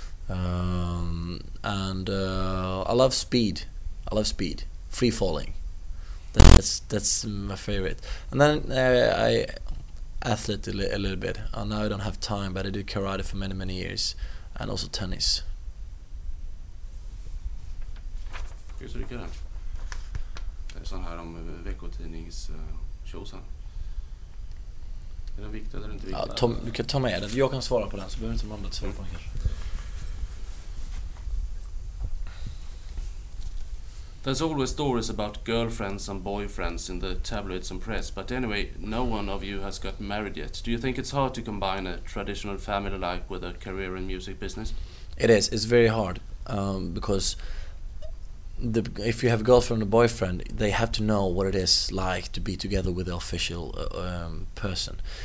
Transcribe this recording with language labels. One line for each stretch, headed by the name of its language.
English: I love speed, free falling. That's my favorite. And then I athlete a little bit. Now I don't have time, but I do karate for many, many years, and also tennis.
Swedish: Så det kan. Det är sån här om veckotidnings showsen. Är det viktigt eller inte viktigt? Ja, Tom, du kan ta med den. Jag kan svara på den, så behöver inte man att svara på den kanske.
English: There's always stories about girlfriends and boyfriends in the tabloids and press, but anyway, no one of you has got married yet. Do you think it's hard to combine a traditional family life with a career in music business? It is. It's very hard because if you have a girlfriend or boyfriend, they have to know what it is like to be together with the official person.